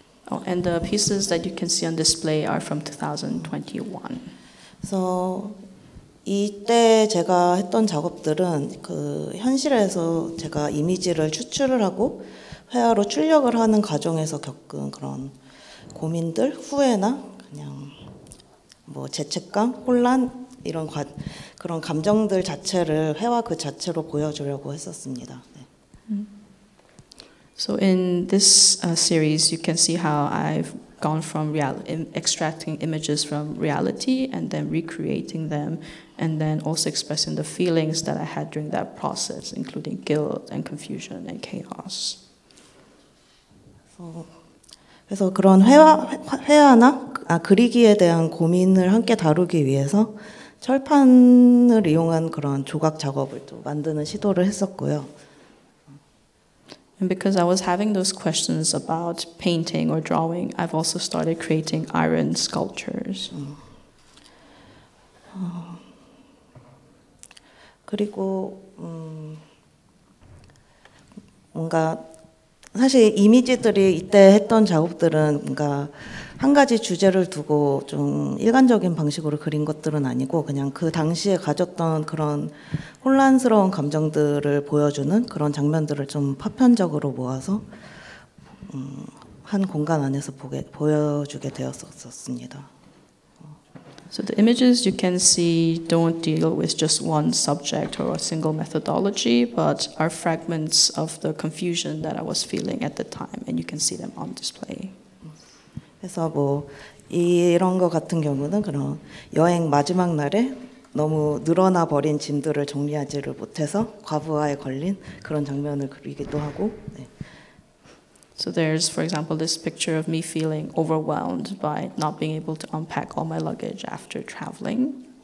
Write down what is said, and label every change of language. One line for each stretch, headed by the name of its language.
English: Oh, and the pieces that you can see on display are from 2021.
Korean: So, 이때 제가 했던 작업들은 그 현실에서 제가 이미지를 추출을 하고 회화로 출력을 하는 과정에서 겪은 그런 고민들, 후회나 그냥 뭐 죄책감, 혼란 이런 그런 감정들 자체를 회화 그 자체로 보여주려고 했었습니다. 네.
English: So in this series, you can see how I've gone from extracting images from reality and then recreating them, and then also expressing the feelings that I had during that process, including guilt and confusion and chaos. So,
Korean: 그래서 그런 회화나 그리기에 대한 고민을 함께 다루기 위해서 철판을 이용한 그런 조각 작업을 또 만드는 시도를 했었고요.
English: And because I was having those questions about painting or drawing, I've also started creating iron sculptures.
Korean: 그리고 뭔가 사실 이미지들이 이때 했던 작업들은 뭔가 한 가지 주제를 두고 좀 일관적인 방식으로 그린 것들은 아니고 그냥 그 당시에 가졌던 그런 혼란스러운 감정들을 보여주는 그런 장면들을 좀 파편적으로 모아서 한 공간 안에서 보여주게 되었었습니다.
English: So the images you can see don't deal with just one subject or a single methodology, but are fragments of the confusion that I was feeling at the time, and you can see them on display.
Korean: 그래서 뭐 이런 거 같은 경우는 그런 여행 마지막 날에 너무 늘어나 버린 짐들을 정리하지를 못해서 과부하에 걸린 그런 장면을 그리기도 하고. 네.
English: So there's, for example, this picture of me feeling overwhelmed by not being able to unpack all my luggage after traveling.